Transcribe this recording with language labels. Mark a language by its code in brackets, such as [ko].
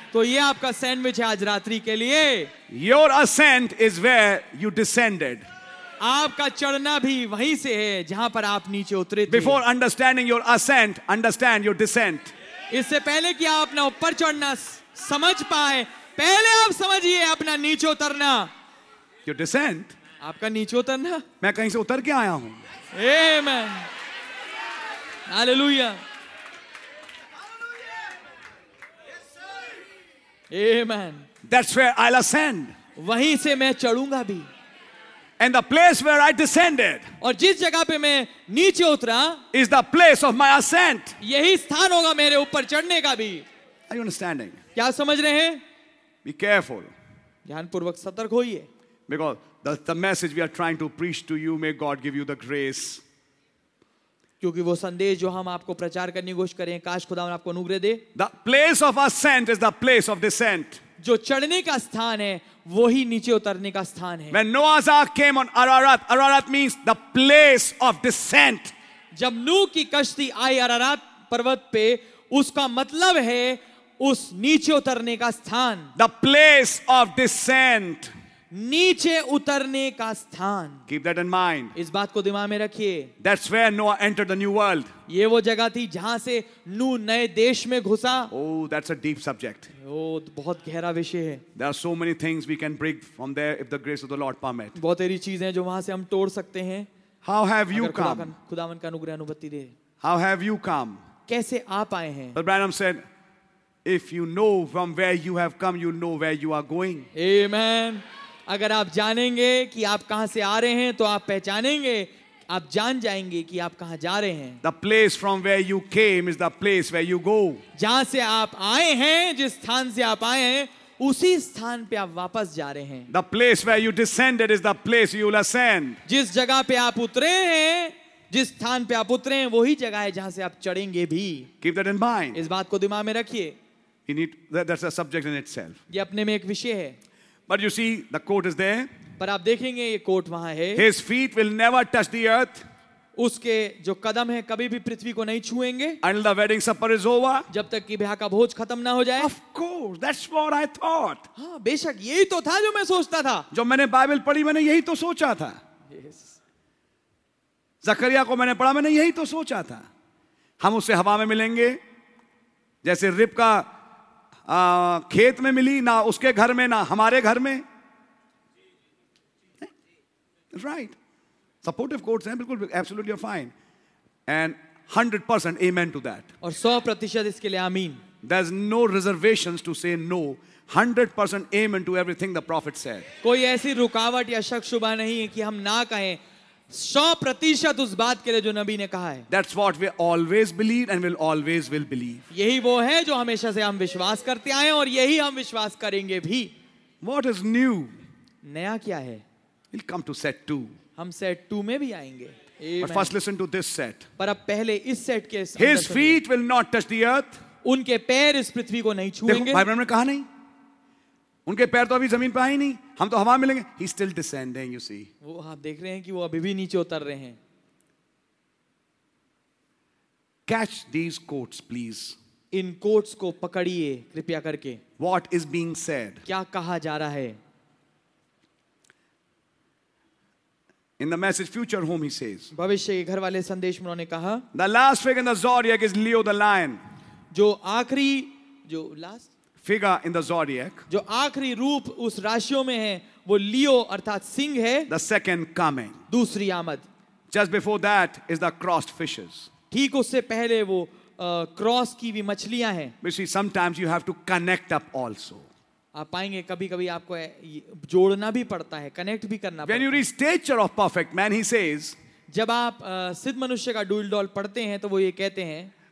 [hi] तो ये आपका सैंडविच है आज रात्रि के लिए. [en] Your ascent is where you descended. [hi] आपका चढ़ना भी वहीं से है जहां पर आप नीचे उतरे थे. [en] Before understanding your ascent, understand your descent. [hi] इससे पहले कि आप अपना ऊपर चढ़ना समझ पाए पहले आप समझिए अपना नीचे उतरना. [en] Your descent. [hi] आपका नीचे उतरना. मैं कहीं से उतर के आया हूं. [en] Amen. Hallelujah. Amen. That's where I'll ascend. [hi] वहीं से मैं चढ़ूंगा भी. [en] And the place where I descended. [hi] और जिस जगह पे मैं नीचे उतरा. [en] Is the place of my ascent. [hi] यही स्थान होगा मेरे ऊपर चढ़ने का भी. [en] Are you understanding? [hi] क्या समझ रहे हैं? [en] Be careful. [hi] ध्यानपूर्वक सतर्क होइए. [en] Because the message we are trying to preach to you, may God give you the grace. [hi] क्योंकि वो संदेश जो हम आपको प्रचार करने की कोशिश करें काश खुदा आपको अनुग्रह दे. [en] The place of ascent is the place of descent. [hi] जो चढ़ने का स्थान है वही नीचे उतरने का स्थान है. [en] When Noah's ark came on Ararat, Ararat means the place of descent. [hi] जब नूह की कश्ती आई अरारात पर्वत पे उसका मतलब है उस नीचे उतरने का स्थान. [en] The place of descent. [hi] नीचे उतरने का स्थान. [en] Keep that in mind. [hi] इस बात को दिमाग में रखिए. [en] That's where Noah entered the new world. [hi] ये वो जगह थी जहां से नू नए देश में घुसा. [en] Oh, that's a deep subject. [hi] बहुत गहरा विषय है. [en] There are so many things we can break from there if the grace of the Lord permit. [hi] बहुत सारी चीजें हैं जो वहां से हम तोड़ सकते हैं. [en] How have you come? [hi] खुदावन का अनुग्रह अनुमति दे. [en] How have you come? [hi] कैसे आप आए हैं? [en] But Branham said, if you know from where you have come, you know where you are going. Amen. [hi] अगर आप जानेंगे कि आप कहां से आ रहे हैं तो आप पहचानेंगे आप जान जाएंगे कि आप कहां जा रहे हैं. [en] The place from where you came is the place where you go. [hi] जहां से आप आए हैं जिस स्थान से आप आए हैं उसी स्थान पे आप वापस जा रहे हैं. [en] The place where you descended is the place you will ascend. [hi] जिस जगह पे आप उतरे हैं जिस स्थान पे आप उतरे हैं वही जगह है जहां से आप चढ़ेंगे भी. [en] Keep that in mind. [hi] इस बात को दिमाग में रखिए. [en] You need that's a subject in itself. [hi] ये अपने में एक विषय है. [en] But you see, the quote is there. [hi] पर आप देखेंगे ये कोट वहाँ है. [en] His feet will never touch the earth. [hi] उसके जो कदम है कभी भी पृथ्वी को नहीं छुएंगे. [en] Until the wedding supper is over. [hi] जब तक कि ब्याह का भोज खत्म ना हो जाए. [en] Of course, that's what I thought. [hi] हाँ, बेशक यही तो था जो मैं सोचता था. जो मैंने बाइबल पढ़ी मैंने यही तो सोचा था. [en] Yes. [hi] जकरिया को मैंने पढ़ा मैंने यही तो सोचा था. हम उसे हवा में मिलेंगे जैसे रिबका खेत में मिली ना उसके घर में ना हमारे घर में. [en] right supportive courts [hi] हैं बिल्कुल [en] Absolutely fine and 100% amen to that. [hi] और 100% इसके लिए आमीन. [en] There is no reservations to say no. 100% amen to everything the prophet said. [hi] कोई ऐसी रुकावट या शक शुबा नहीं है कि हम ना कहें 100% उस बात के लिए जो नबी ने कहा है. [en] That's what we always believe and will always will believe. [hi] यही वो है जो हमेशा से हम विश्वास करते आए और यही हम विश्वास करेंगे भी. [en] What is new? [hi] नया क्या है? [en] We'll come to set two. [hi] हम set two में भी आएंगे. [en] But first listen to this set. [hi] पर अब पहले इस set के. [en] His feet will not touch the earth. [hi] उनके पैर इस पृथ्वी को नहीं छुएंगे. भाई ने कहा नहीं उनके पैर तो अभी जमीन पर आए नहीं हम तो हवा मिलेंगे. [en] He still descending, you see. [hi] वो आप देख रहे हैं कि वो अभी भी नीचे उतर रहे हैं. [en] Catch these quotes, please. [hi] In quotes को पकड़िए कृपया करके. [en] What is being said? [hi] क्या कहा जा रहा है? [en] In the message Future Home, he says. [hi] भविष्य के घर वाले संदेश में उन्होंने कहा. [en] The last figure in the zodiac is Leo the lion. [hi] जो आखिरी जो last [en] figure in the zodiac, [hi] जो आखिरी रूप उस राशियों में है वो लियो अर्थात सिंह है, [en] the second coming, [hi] दूसरी आमद. [en] Just before that is the crossed fishes. [hi] ठीक उससे पहले वो क्रॉस की भी मछलियां हैं. [en] You see, sometimes you have to connect up also. [hi] आप पाएंगे कभी कभी आपको जोड़ना भी पड़ता है, कनेक्ट भी करना पड़ता है. [en] When you reach stature of perfect man, he says, [hi] जब आप सिद्ध मनुष्य का डूल डॉल पढ़ते हैं तो वो ये कहते हैं,